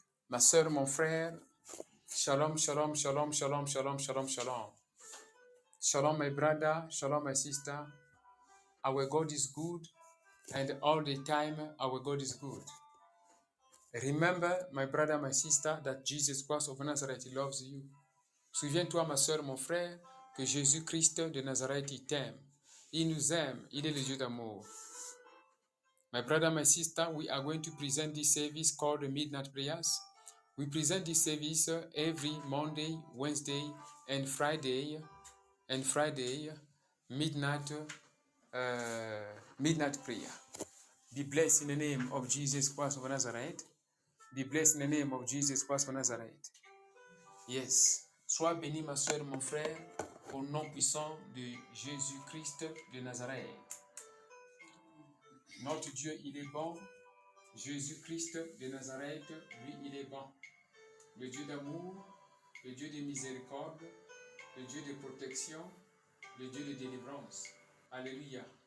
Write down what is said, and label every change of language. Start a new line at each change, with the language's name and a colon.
French: Ma sœur, mon frère, shalom, shalom, shalom, shalom, shalom, shalom, shalom.
English: Shalom, my brother, shalom, my sister. Our God is good, and all the time, our God is good. Remember, my brother, my sister, that Jesus Christ of Nazareth loves you.
French: Souviens-toi, ma sœur, mon frère, que Jésus-Christ de Nazareth, il t'aime. Il nous aime, il est le Dieu d'amour.
English: My brother, my sister, we are going to present this service called the Midnight Prayers. We present this service every Monday, Wednesday, and Friday. And Friday, midnight prayer. Be blessed in the name of Jesus Christ of Nazareth. Be blessed in the name of Jesus Christ of Nazareth. Yes.
French: Sois béni, ma soeur, mon frère, au nom puissant de Jésus Christ de Nazareth. Notre Dieu, il est bon. Jésus Christ de Nazareth, lui, il est bon. Le Dieu d'amour, le Dieu de miséricorde, le Dieu de protection, le Dieu de délivrance. Alléluia.